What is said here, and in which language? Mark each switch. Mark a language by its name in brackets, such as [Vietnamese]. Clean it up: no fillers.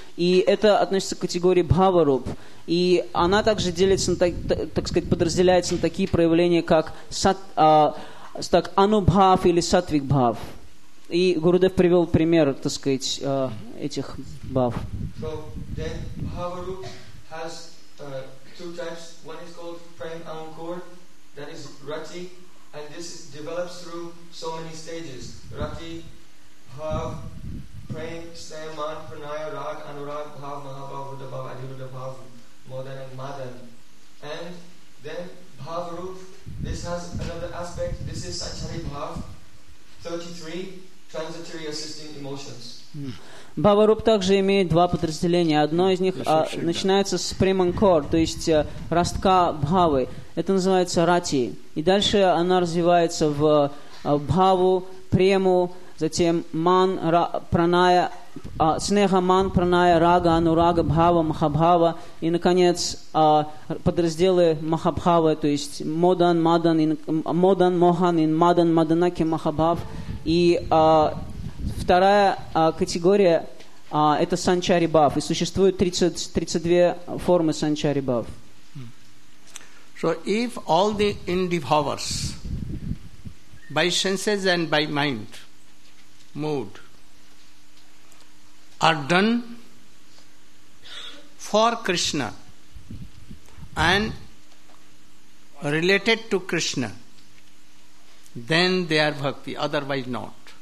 [Russian] И это относится к категории бхаваруп. И она также делится, так сказать, подразделяется на такие проявления, как анубхав или сатвикбхав. И Гурудев привел пример, так сказать, этих бхав. [English] So, then, bhavarup has two types. One is called prem ankur, that is rati, and this develops through so many stages. Rati, bhav, prem, sneman, pranaya, rag, anurag, bhav, mahabhav, udabhav, adhirudabhav, modan and madan. And then bhavarup, this has another aspect. This is sacharibhav 33, transitory assisting emotions. [Russian] Бхаваруп также имеет два подразделения. Одно из них начинается с преманкор, то есть ростка бхавы. Это называется рати. И дальше она развивается в бхаву, прему, затем ман, праная, снега ман, праная, рага, анурага, бхава, махабхава. И, наконец, подразделы махабхавы, то есть модан, мадан, модан, мохан, мадан, маданаки, махабхав. И вторая категория – это санчари бхав. И существует 32 формы санчари бхав. [English] So if all the indivhavas, by senses and by mind, mood, are done for Krishna and related to Krishna, then they are bhakti, otherwise not.